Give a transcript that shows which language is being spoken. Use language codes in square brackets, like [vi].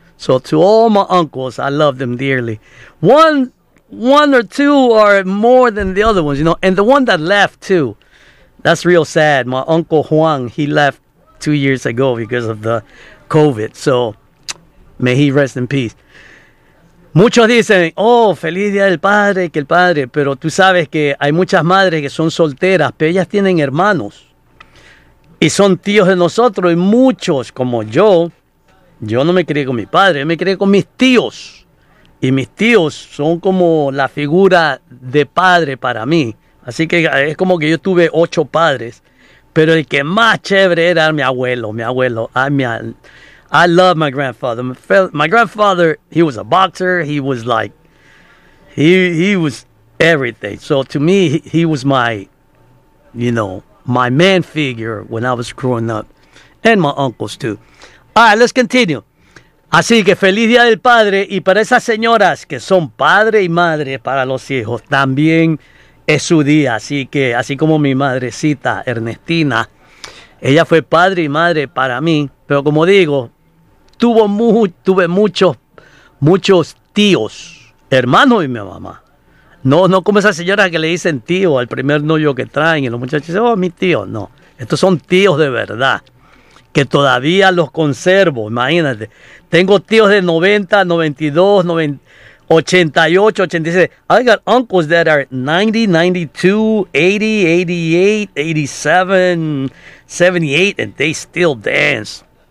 [en] So, to all my uncles, I love them dearly. One or two are more than the other ones, you know. And the one that left, too, that's real sad. My Uncle Juan, he left 2 years ago because of the COVID. So, may he rest in peace. [es] Muchos dicen, oh, feliz día del padre, que el padre. Pero tú sabes que hay muchas madres que son solteras, pero ellas tienen hermanos. Y son tíos de nosotros. Y muchos, como yo no me crié con mi padre, yo me crié con mis tíos. Y mis tíos son como la figura de padre para mí. Así que es como que yo tuve 8 padres. Pero el que más chévere era mi abuelo. [en] I love my grandfather. My grandfather, he was a boxer. He was like, he was everything. So to me, he was my, you know, my man figure when I was growing up. And my uncles too. All right, let's continue. [es] Así que feliz día del padre. Y para esas señoras que son padre y madre para los hijos, también es su día. Así que, así como mi madrecita Ernestina, ella fue padre y madre para mí. Pero como digo, tuve muchos tíos, hermanos y mi mamá. No como esas señoras que le dicen tío al primer novio que traen y los muchachos dicen, oh, mi tío. No, estos son tíos de verdad, que todavía los conservo, imagínate. Tengo tíos de 90, 92, 90, 88, 86. [en] I got uncles that are 90, 92, 80, 88, 87, 78, and they still dance.